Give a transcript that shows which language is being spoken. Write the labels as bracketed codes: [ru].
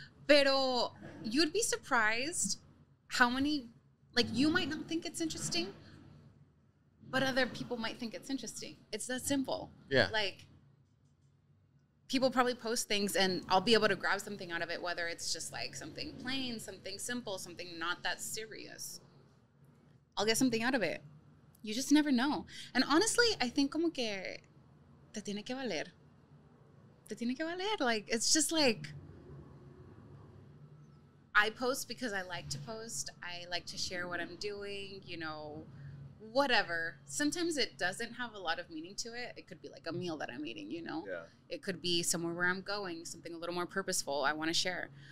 [en] Pero you'd be surprised how many, like, you might not think it's interesting, but other people might think it's interesting. It's that simple. Yeah. Like, people probably post things and I'll be able to grab something out of it, whether it's just like something plain, something simple, something not that serious. I'll get something out of it. You just never know. And honestly, I think [es] como que te tiene que valer. [en] Like, it's just like, I post because I like to post. I like to share what I'm doing, you know, whatever. Sometimes it doesn't have a lot of meaning to it. It could be like a meal that I'm eating, you know. Yeah. It could be somewhere where I'm going, something a little more purposeful I want to share.